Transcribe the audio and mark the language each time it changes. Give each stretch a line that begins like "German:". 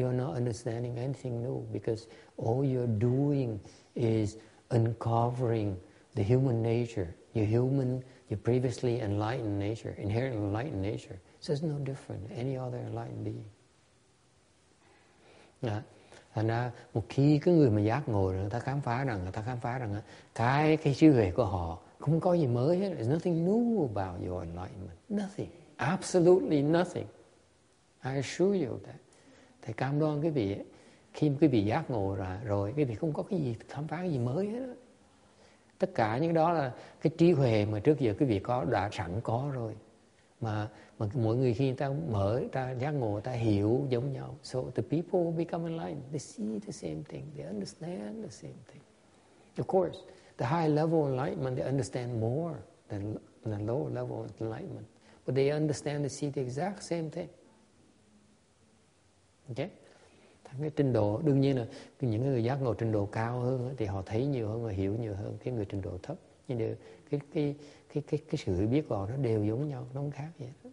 English: You are not understanding anything new because all you're doing is uncovering the human nature, your previously enlightened nature, inherent enlightened nature. So it's no different than any other enlightened being.
Vietnamese: Thành ra một khi cái người mà giác ngộ rồi, người ta khám phá rằng cái trí huệ của họ không có gì mới hết.
English: There's nothing new about your enlightenment. Nothing. Absolutely nothing. I assure you that.
Vietnamese: Thầy cam đoan quý vị, khi quý vị giác ngộ rồi, quý vị không có cái gì khám phá, cái gì mới hết. Tất cả những đó là cái trí huệ mà trước giờ quý vị có, đã sẵn có rồi. Mà mỗi người khi ta mở, ta giác ngộ, ta hiểu giống nhau.
English: So the people who become enlightened, they see the same thing, they understand the same thing. Of course, the high level enlightenment, they understand more than lower level enlightenment. But they understand, they see the exact same thing. Okay.
Vietnamese: Cái trình độ, đương nhiên là những người giác ngộ trình độ cao hơn thì họ thấy nhiều hơn và hiểu nhiều hơn cái người trình độ thấp, nhưng đều cái sự hiểu biết của họ nó đều giống nhau, nó không khác vậy.